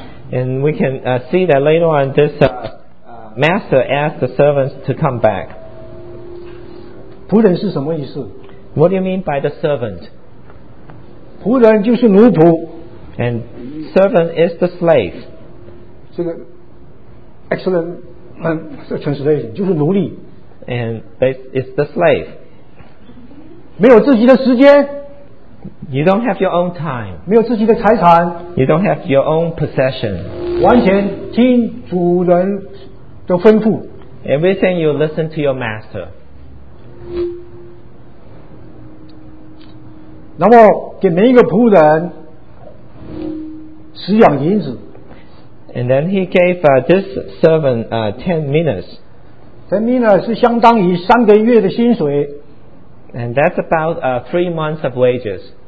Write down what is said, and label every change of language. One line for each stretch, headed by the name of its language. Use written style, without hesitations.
English: And we can see that later on this master asked the servants to come back.
Chinese: 仆人是什么意思
English: ？What do you mean by the servant？
Chinese: 仆人就是奴仆。
English: And servant is the slave.
Chinese: 这个
English: excellent translation
Chinese: 就是奴隶。
English: And it's the slave.
Chinese: 没有自己的时间。
English: You don't have your own time.
Chinese: 没有自己的财产。
English: You don't have your own possession.
Chinese: 完全听主人的吩咐。
English: Everything you listen to your master.
Chinese: 然后给每一个仆人十两银子。
English: And then he gave this servant 10 minas.
Chinese: 10 minas 是相当于三个月的薪水。
English: And that's about 3 months of wages.